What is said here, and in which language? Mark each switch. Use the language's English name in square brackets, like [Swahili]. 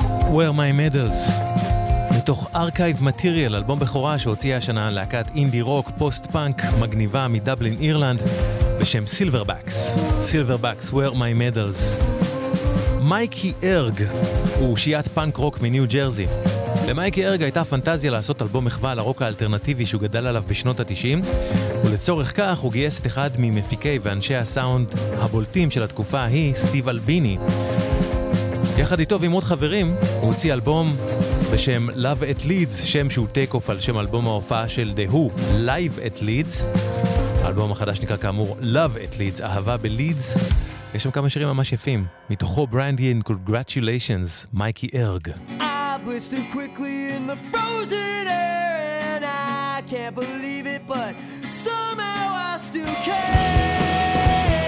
[Hebrew] Where My Medals, מתוך ארכייב מטיריאל, אלבום בכורה שהוציאה השנה להקת אינדי רוק פוסט פאנק מגניבה מדבלין אירלנד בשם סילברבקס. סילברבקס, Where My Medals. מייקי ארג הוא אושיית פאנק רוק מניו ג'רזי. למייקי ארג הייתה פנטזיה לעשות אלבום מחווה לרוק האלטרנטיבי שהוא גדל עליו בשנות ה-90, ולצורך כך הוא גייס את אחד ממפיקי ואנשי הסאונד הבולטים של התקופה ההיא, סטיב אלביני. יחד איתו ועם עוד חברים, הוא הוציא אלבום בשם Love at Leeds, שם שהוא טייק אוף על שם אלבום ההופעה של The Who, Live at Leeds. האלבום החדש נקרא כאמור Love at Leeds, אהבה בלידס. יש שם כמה שירים ממש יפים. מתוכו Brandy and Congratulations, מייקי ארג. [English] I blitzed too quickly in the frozen air and I can't believe it but somehow I still care.